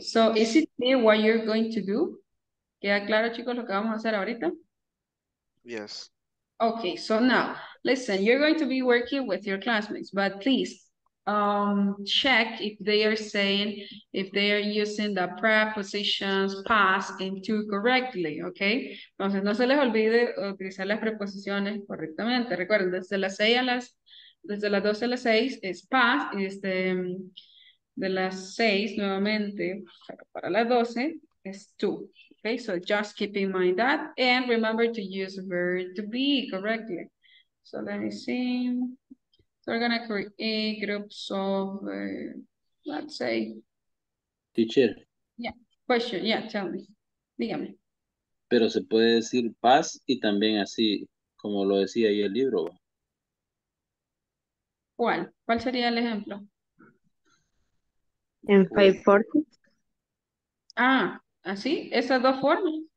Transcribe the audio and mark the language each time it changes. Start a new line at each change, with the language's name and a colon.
English: So, is it clear what you're going to do?
Spanish: ¿Queda claro, chicos, lo que vamos a hacer ahorita?
English: Yes. Okay, so now, listen, you're going to be working with your classmates, but please check if they are saying, if they are using the prepositions past and to correctly, okay?
Spanish: Entonces, no se les olvide utilizar las preposiciones correctamente. Recuerden, desde las 6 a las, desde las 12 a las 6 es past, y desde de las 6 nuevamente para las 12 es to.
English: Okay, so just keep in mind that and remember to use verb to be correctly. So let me see. So we're going to create groups of, let's say. Teacher. Yeah, question. Yeah, tell me.
Spanish: Dígame. Pero se puede decir paz y también así, como lo decía ahí el libro. ¿Cuál? ¿Cuál sería el ejemplo? En 5:40. Ah. ¿Así? ¿Esas dos formas?